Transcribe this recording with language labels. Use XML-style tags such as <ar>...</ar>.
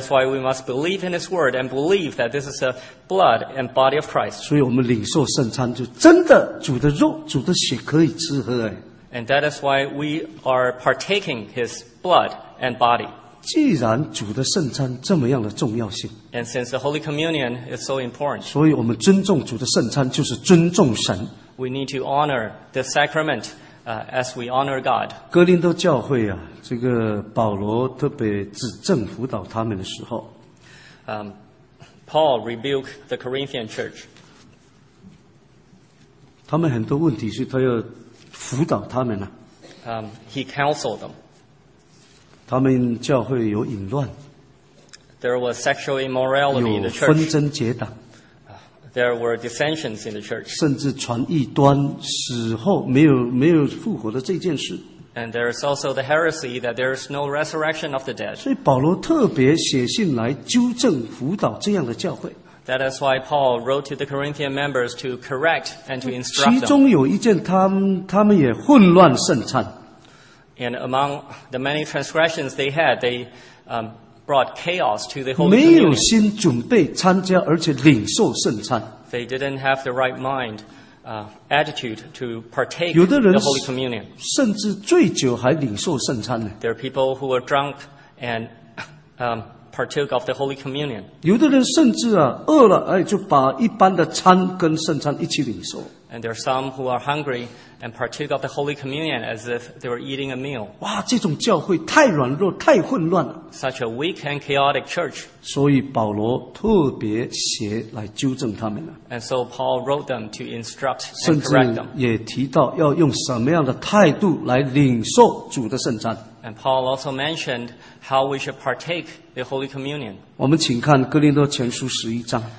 <en>is why we must believe in His word and believe that this is the blood and body of Christ.</en> <zh>所以我们领受圣餐，就真的主的肉，主的血可以吃喝。</zh> <en>And that is why we are partaking His blood and body.</en> <zh>既然主的圣餐这么样的重要性，</zh> <en>And since the Holy Communion is so important,</en> <zh>所以我们尊重主的圣餐，就是尊重神。</zh> <en>We need to honor the sacrament as we honor God.</en> <zh>哥林多教会啊, 这个保罗特别指正辅导他们的时候,</zh> <en>Paul rebuked the Corinthian church.</en> <zh>他们很多问题是他要辅导他们啊。</zh> <en>He counseled them.</en> <zh>他们教会有淫乱。</zh> <en>There was sexual immorality in the church.</en> <zh>有纷争结党。</zh> <en>There were dissensions in the church.</en> <zh>甚至传异端死后没有复活的这件事。</zh> <en>And there is also the heresy that there is no resurrection of the dead.</en> <zh>所以保罗特别写信来纠正辅导这样的教会。</zh> <en>That is why Paul wrote to the Corinthian members to correct and to instruct them.</en> <zh>其中有一件他们也混乱圣餐。</zh> <en>And among the many transgressions they had, they brought chaos to the Holy Communion.</en> <zh>没有心准备参加而且领受圣餐。</zh> <en>They didn't have the right mind, attitude to partake in the Holy Communion.</en> <zh>甚至醉酒还领受圣餐呢。</zh> <en>There are people who are drunk and partook of the Holy Communion.</en> <zh>有的人甚至啊, 饿了, 哎, 就把一般的餐跟圣餐一起领受。</zh> <en>And there are some who are hungry and partook of the Holy Communion as if they were eating a meal.</en> <zh>哇, 这种教会太软弱, 太混乱了。</zh> <en>Such a weak and chaotic church.</en> <zh>所以保罗特别写来纠正他们了。</zh> <en>And so Paul wrote them to instruct and correct them.</en> <zh>甚至也提到要用什么样的态度来领受主的圣餐。</zh> <en>And Paul also mentioned how we should partake the Holy Communion.</en> <zh>我们请看哥林多前书11章。</zh>